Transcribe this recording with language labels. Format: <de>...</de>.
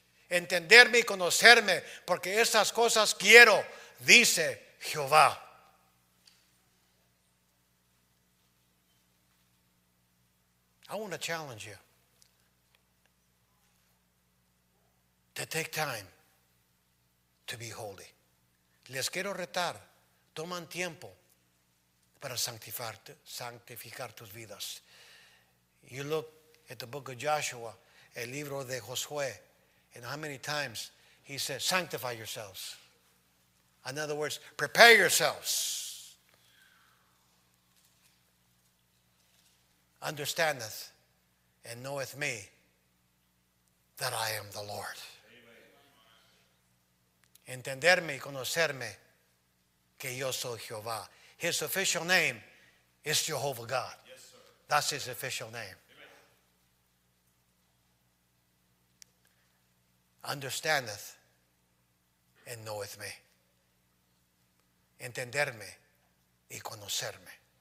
<es>Entenderme y conocerme, porque esas cosas quiero, dice Jehová.</es> <en>I want to challenge you to take time to be holy.</en> <es>Les quiero retar. Toman tiempo para santificar tus vidas.</es> <en>You look at the book of Joshua,</en> <es>el libro de Josué,</es> <en>and how many times he says, sanctify yourselves. In other words, prepare yourselves. Understandeth and knoweth me that I am the Lord.</en> <es>Entenderme y conocerme que yo soy Jehová.</es> <en>His official name is Jehovah God. Yes, sir. That's his official name. Amen. Understandeth and knoweth me.</en> <es>Entenderme y conocerme.</es>